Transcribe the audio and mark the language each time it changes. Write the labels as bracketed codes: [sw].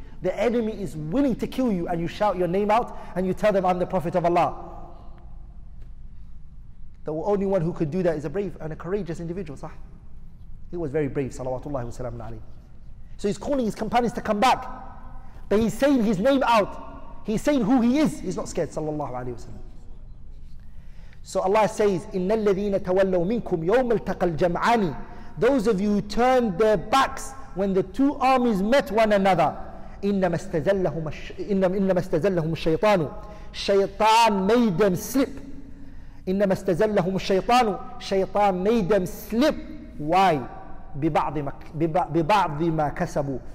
[en] The enemy is willing to kill you, and you shout your name out and you tell them, I'm the Prophet of Allah. The only one who could do that is a brave and a courageous individual. Sah? He was very brave, salawatullahi wa salam alayhi. So he's calling his companions to come back, but he's saying his name out. He's saying who he is. He's not scared, sallallahu alayhi wa sallam. So Allah says, [ar] إِنَّ الَّذِينَ تَوَلَّوْا مِنْكُمْ يَوْمَ الْتَقَى الْجَمْعَانِ. [en] Those of you who turned their backs when the two armies met one another, [ar] إِنَّمَا اسْتَزَلَّهُمُ الشَّيْطَانُ. [en] Shaytan made them slip. [ar] إِنَّمَا اسْتَزَلَّهُمُ الشَّيْطَانُ. [en] Shaytan made them slip. Why? [ar] بِبَعْضِمَا كَسَبُوا.